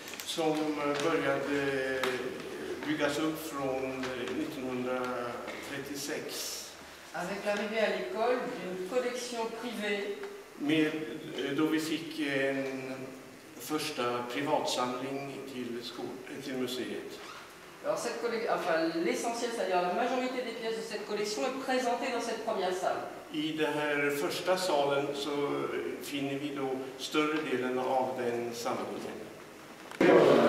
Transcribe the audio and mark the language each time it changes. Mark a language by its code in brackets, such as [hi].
[sv] Som började byggas upp från 1936. [fr] Avec l'arrivée à l'école d'une collection privée. [sv] Med, då vi fick en första privatsamling till till museet. [fr] Alors cette l'essentiel, c'est-à-dire la majorité des pièces de cette collection est présentée dans cette première salle. [sv] I den här första salen så finner vi då större delen av den samlingen.